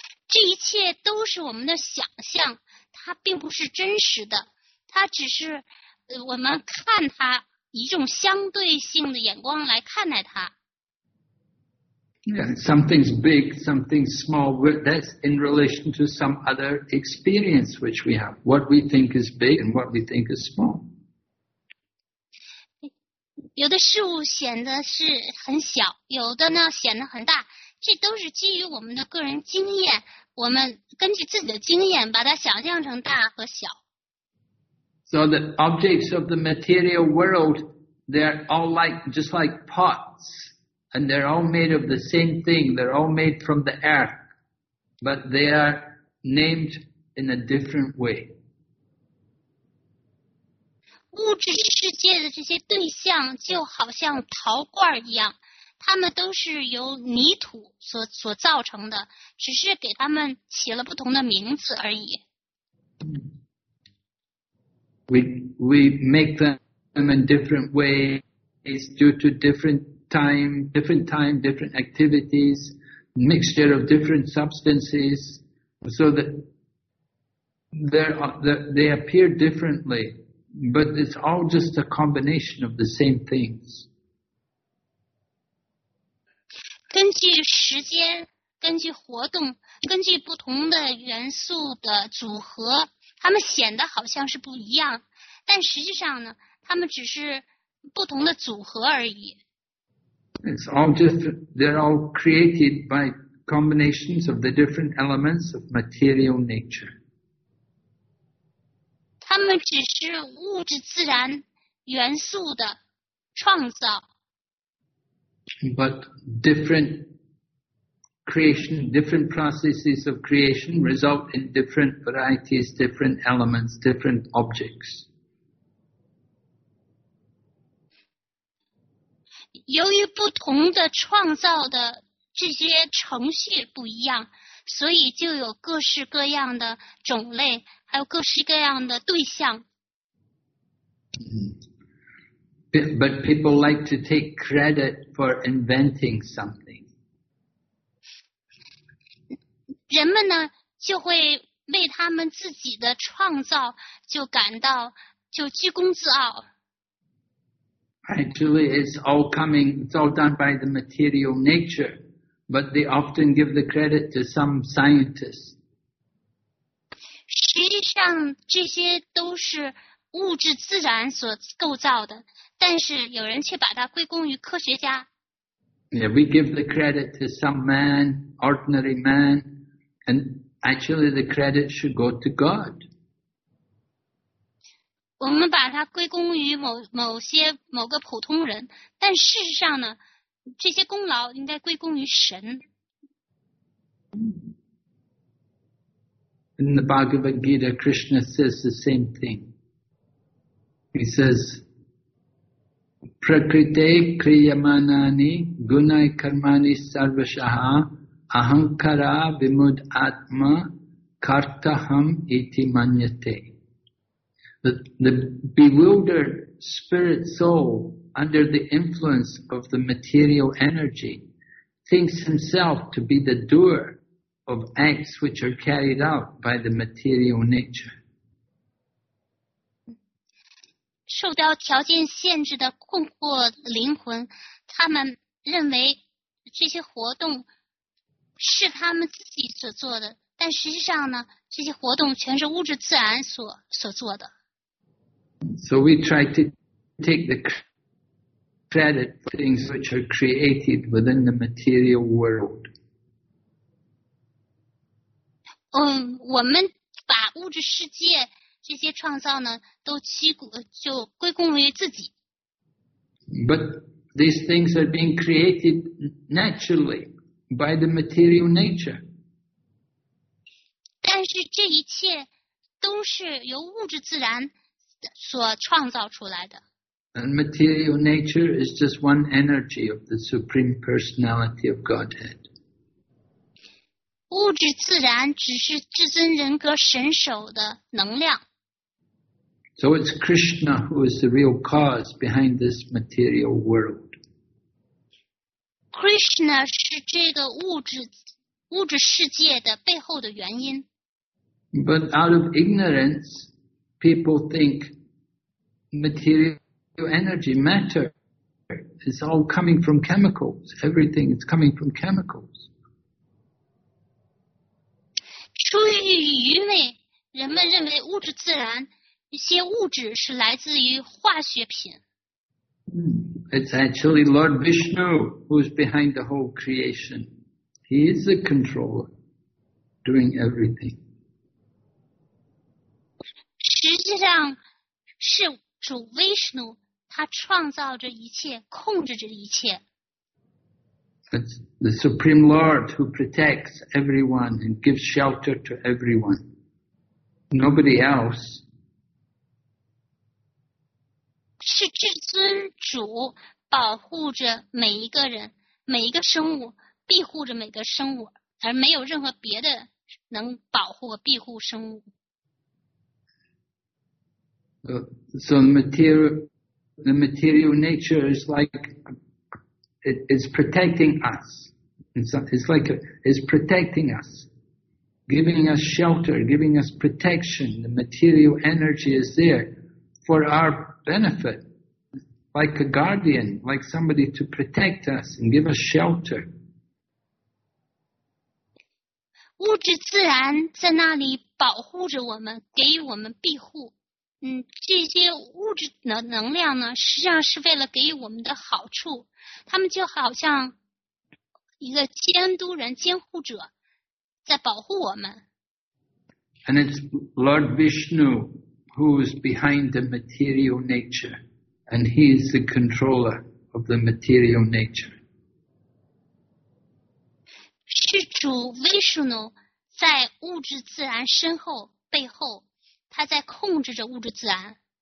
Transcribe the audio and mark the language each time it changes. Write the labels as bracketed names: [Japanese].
[Chinese] 这一切都是我们的想象，它并不是真实的，它只是我们看它一种相对性的眼光来看待它。 [English] Yeah, something's big, something's small, that's in relation to some other experience which we have. What we think is big and what we think is small. [Chinese] 有的事物显得是很小，有的呢显得很大。这都是基于我们的个人经验，我们根据自己的经验把它想象成大和小。 [English] So the objects of the material world, they're all like, just like pots, and they're all made of the same thing, they're all made from the earth, but they are named in a different way. [Chinese] 物质世界的这些对象就好像陶罐一样，他们都是由泥土所造成的，只是给他们起了不同的名字而已。 [English] We make them in different ways due to different time, different activities, mixture of different substances, so that they appear differently, but it's all just a combination of the same things. [Chinese] 根据时间，根据活动，根据不同的元素的组合，它们显得好像是不一样，但实际上呢，它们只是不同的组合而已。 [English] It's all just, they're all created by combinations of the different elements of material nature. [Chinese] 它们只是物质自然元素的创造。 [English] But different creation, different processes of creation result in different varieties, different elements, different objects. [Chinese] 由于不同的创造的这些程序不一样，所以就有各式各样的种类，还有各式各样的对象。 [English] But people like to take credit for inventing something. [Chinese] 人们呢就会为他们自己的创造就感到就居功自傲。 [English] Actually, it's all coming, it's all done by the material nature, but they often give the credit to some scientists. [Chinese] 实际上这些都是物质自然所构造的。但是有人却把它归功于科学家。 [English] Yeah, we give the credit to some man, ordinary man, and actually the credit should go to God. [Chinese] 我们把它归功于某个普通人，但事实上呢，这些功劳应该归功于神。 [English] In the Bhagavad Gita, Krishna says the same thing. He says, [Sanskrit] Prakrite kriyamanani gunai karmani sarvashaha ahankara vimud atma kartaham iti manyate. [English] The bewildered spirit soul under the influence of the material energy thinks himself to be the doer of acts which are carried out by the material nature. [Chinese] 受到条件限制的困惑灵魂，他们认为这些活动是他们自己所做的，但实际上呢，这些活动全是物质自然所做的。 [English] So we try to take the credit for things which are created within the material world. [Chinese] 我们把物质世界这些创造呢，都就归功于自己。 [English] But these things are being created naturally by the material nature. [Chinese] 但是这一切都是由物质自然所创造出来的。 [English] And material nature is just one energy of the Supreme Personality of Godhead. [Chinese] 物质自然只是至尊人格神手的能量。 [English] So it's Krishna who is the real cause behind this material world. [Chinese] Krishna 是这个物质世界的背后的原因。 [English] But out of ignorance, people think material energy, matter, is all coming from chemicals. Everything is coming from chemicals. [Chinese] 出于愚昧，人们认为物质自然一些物质是来自于化学品。 [English] It's actually Lord Vishnu who's behind the whole creation. He is the controller doing everything. [Chinese] 实际上是主 Vishnu, 他创造着一切，控制着一切。 [English] It's the Supreme Lord who protects everyone and gives shelter to everyone. Nobody else. [Chinese] 是至尊主保护着每一个人，每一个生物，庇护着每个生物，而没有任何别的能保护和庇护生物。 [English] So the material nature is like it is protecting us. It's protecting us, giving us shelter, giving us protection. The material energy is there for our benefit. Like a guardian, like somebody to protect us and give us shelter. [Chinese] 物质自然在那里保护着我们，给予我们庇护。这些物质的能量呢，实际上是为了给予我们的好处。他们就好像一个监督人、监护者在保护我们。 [English] And it's Lord Vishnu who is behind the material nature. And he is the controller of the material nature. [Chinese] 是主 Vishnu 在物质自然身后背后，他在控制着物质自然。